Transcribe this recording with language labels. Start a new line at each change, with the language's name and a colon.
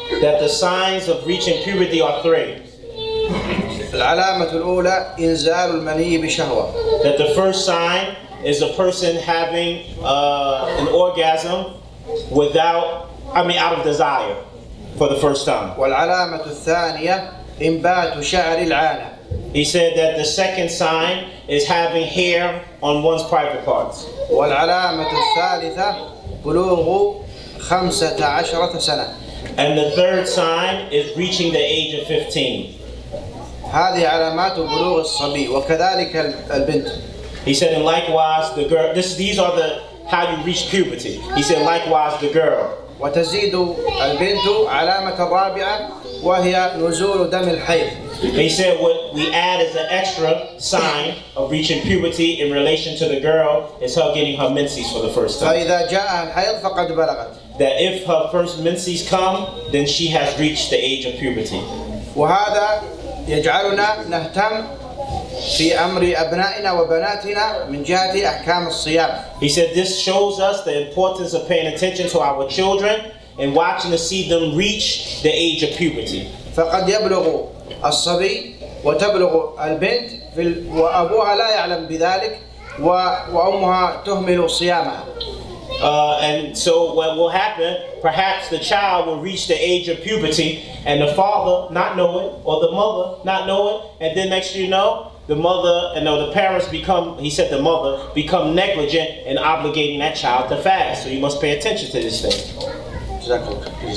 English: That the signs of reaching puberty are three.
Arabic: العلامة الأولى إنزال المني بشهوة.
English: That the first sign is a person having an orgasm out of desire for the first time.
Arabic: والعلامة الثانية إنبات شعر العانة.
English: He said that the second sign is having hair on one's private parts.
Arabic: والعلامة الثالثة بلوغ 15 سنة.
English: And the third sign is reaching the age of 15.
Arabic: هذه علامات بلوغ الصبي وكذلك البنت.
English: He said, and likewise the girl. These are the how you reach puberty. He said, likewise the girl.
Arabic: وتزيد البنت علامة رابعة وهي نزول دم الحيض.
English: He said what we add as an extra sign of reaching puberty in relation to the girl is her getting her menses for the first time.
Arabic: فإذا جاء الحيض فقد بلغت.
English: That if her first menses come, then she has reached the age of puberty.
Arabic: وهذا يجعلنا نهتم في أمر أبنائنا وبناتنا من جهة أحكام الصيام.
English: He said this shows us the importance of paying attention to our children and watching to see them reach the age of puberty.
Arabic: فقد يبلغ الصبي وتبلغ البنت وأبوها لا يعلم بذلك وأمها تهمل صيامها.
English: And so what will happen, perhaps the child will reach the age of puberty and the father not knowing or the mother not knowing, and then next you know the mother and the parents become negligent in obligating that child to fast. So you must pay attention to this thing. JazakAllah.